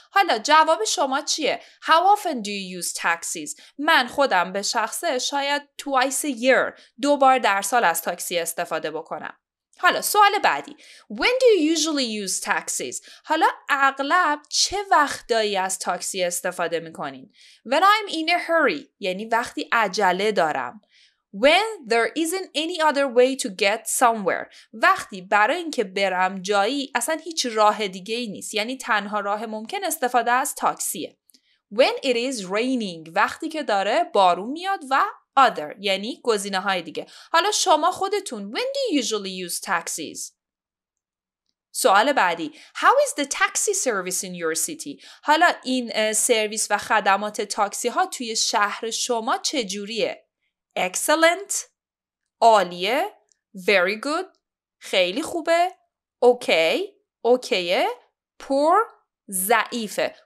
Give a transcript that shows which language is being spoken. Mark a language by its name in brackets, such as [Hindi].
[Persian] حالا جواب شما چیه؟ [English] How often do you use taxis؟ [Persian] من خودم به شخصه شاید [English] twice a year، [Persian] دو بار در سال از تاکسی استفاده بکنم. حالا سوال بعدی، [English] When do you usually use taxis؟ [Persian] حالا اغلب چه وقتایی از تاکسی استفاده می کنین؟ [English] When I'm in a hurry [Persian] یعنی وقتی عجله دارم. [English] When there isn't any other way to get somewhere. [Persian] وقتی برای اینکه برم جایی اصلا هیچ راه دیگه ای نیست، یعنی تنها راه ممکن استفاده از تاکسیه. [English] When it is raining. [Persian] وقتی که داره بارون میاد و [English] other [Persian] یعنی گزینه های دیگه. حالا شما خودتون [English] When do you usually use taxis؟ [Persian] سوال بعدی، [English] How is the taxi service in your city؟ [Persian] حالا این سرویس و خدمات تاکسی ها توی شهر شما چجوریه؟ [English] Excellent، [Persian] عالیه، [English] very good، [Persian] خیلی خوبه، [English] okay، poor، [Persian] ضعیفه.